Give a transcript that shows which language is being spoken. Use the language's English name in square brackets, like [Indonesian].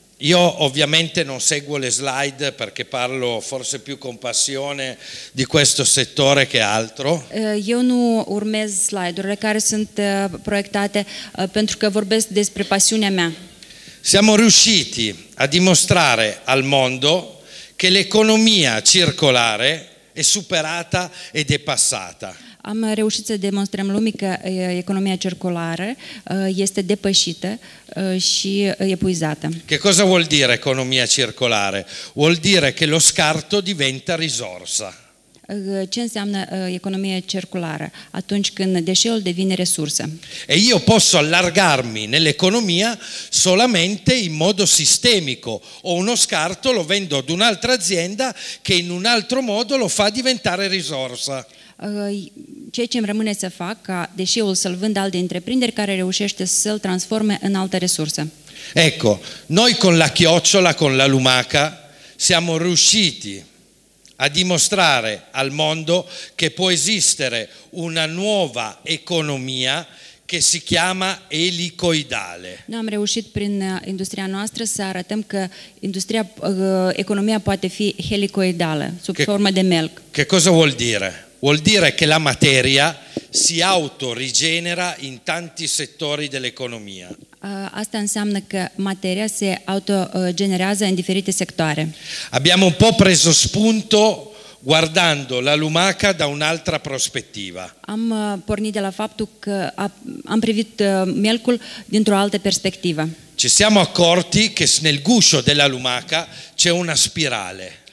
[Italian] Io ovviamente non seguo le slide perché parlo forse più con passione di questo settore che altro. [Romanian] Io nu urmez slide-urile care sunt proiectate pentru că vorbesc despre pasiunea mea. [Italian] Siamo riusciti a dimostrare al mondo che l'economia circolare è superata ed è passata. [Romanian] Am reușit să demonstrăm lumii că economia circulară este depășită și epuizată. [Italian] Che cosa vuol dire economia circolare? Vuol dire che lo scarto diventa risorsa. [Romanian] Ce înseamnă economia circulară? Atunci când deșeul devine resursă. [Italian] E io posso allargarmi nell'economia solamente in modo sistemico. Ho uno scarto, lo vendo ad un'altra azienda che in un altro modo lo fa diventare risorsa. [Romanian] Ceea ce îmi rămâne să fac ca deșeul să-l vândă alte întreprinderi care reușește să-l transforme în altă resursă. [Italian] Ecco, noi con la chiocciola, con la lumaca, siamo riusciti a dimostrare al mondo che può esistere una nuova economia che si chiama elicoidale. [Romanian] Noi am reușit prin industria noastră să arătăm că industria, economia poate fi helicoidală, sub formă de melc. [Italian] Che cosa vuol dire? Vuol dire che la materia si autorigenera in tanti settori dell'economia. [Romanian] Asta înseamnă că materia se autogenerează în diferite sectoare. [Italian] Abbiamo un po' preso spunto guardando la lumaca da un'altra prospettiva. [Romanian] Am pornit de la faptul că am privit melcul dintr-o altă perspectivă. [Italian] Ci siamo accorti che nel guscio della lumaca c'è una spirale.